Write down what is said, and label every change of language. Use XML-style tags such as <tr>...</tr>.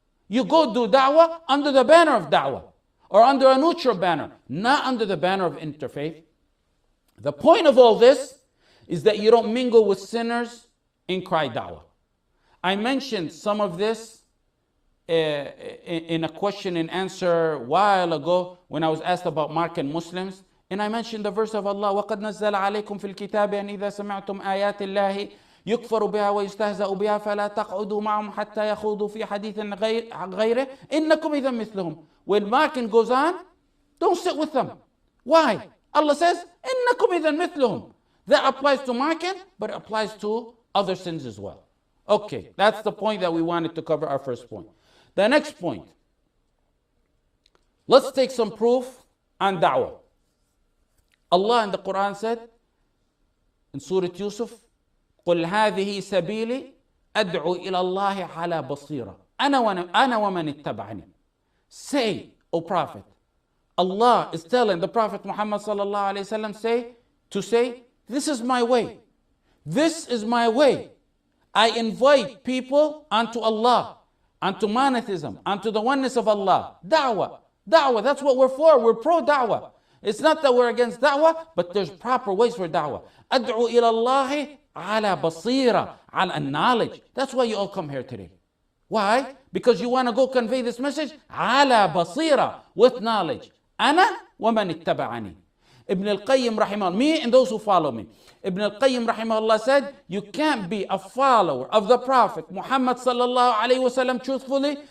<en>You go do da'wah under the banner of da'wah or under a neutral banner, not under the banner of interfaith. The point of all this is that you don't mingle with sinners and cry da'wah. I mentioned some of this in a question and answer a while ago when I was asked about Moroccan Muslims. And I mentioned the verse of Allah,</en> <ar>وَقَدْ نَزَّلَ عَلَيْكُمْ فِي الْكِتَابِ أَنْ إِذَا سَمِعْتُمْ آيَاتِ اللَّهِ يُكْفَرُ بِهَا وَيُسْتَهْزَأُ بِهَا فَلَا تَقْعُدُوا مَعُمْ حَتَّى يَخُوضُوا فِي حَدِيثٍ غَيْرِهِ إِنَّكُمْ إِذَا مِثْلُهُمْ.</ar> <en>When Markin goes on, don't sit with them. Why? Allah says,</en> <ar>إِنَّكُمْ إِذَا مِثْلُهُمْ.</ar> <en>That applies to Markin, but it applies to other sins as well. Okay, that's the point that we wanted to cover, our first point. The next point. Let's take some proof on da'wah. Allah in the Quran said, in Surah Yusuf,</en> <ar>قُلْ هَذِهِ سَبِيلِي أَدْعُوا إِلَى اللَّهِ عَلَى بَصِيرًا أَنَا وَمَنِ اتَّبَعَنِي.</ar> <en>Say, O Prophet, Allah is telling the Prophet Muhammad sallallahu alayhi wa sallam, say, this is my way. This is my way. I invite people unto Allah, unto monotheism, unto the oneness of Allah. Da'wah, that's what we're for. We're pro-da'wah. It's not that we're against da'wah, but there's proper ways for da'wah.</en> <ar>أَدْعُوا إِلَى اللَّهِ عَلَى بَصِيرًا عَلَى</ar> <en>knowledge. That's why you all come here today. Why? Because you want to go convey this message?</en> <ar>عَلَى بَصِيرًا</ar> <en>with knowledge.</en> <ar>أَنَا وَمَنِ اتَّبَعَنِي.</ar> <en>Ibn al-Qayyim rahimahullah, me and those who follow me. Ibn al-Qayyim rahimahullah said, you can't be a follower of the Prophet Muhammad sallallahu alayhi wasallam truthfully.</en>